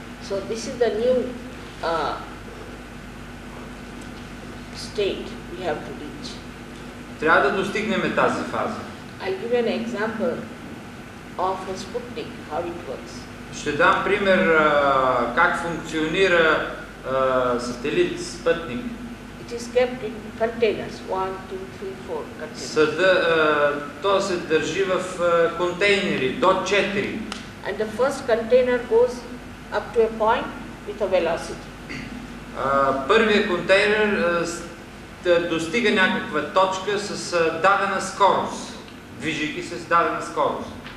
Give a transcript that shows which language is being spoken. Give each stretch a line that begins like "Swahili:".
English: So this is the new state we have to reach.
Bulgarian: Трябва да достигнем тази фаза.
English: I'll give an example of a Sputnik, how it works.
Bulgarian: Ще дам пример как функционира сателит Спътник.
English: It is kept in containers, 1, 2, 3, 4 containers.
Bulgarian: То се държи в контейнери до 4.
English: And the first container goes up to a point with a velocity.
Bulgarian: Първият контейнер достига някаква точка с дадена скорост, движейки се с дадена скорост.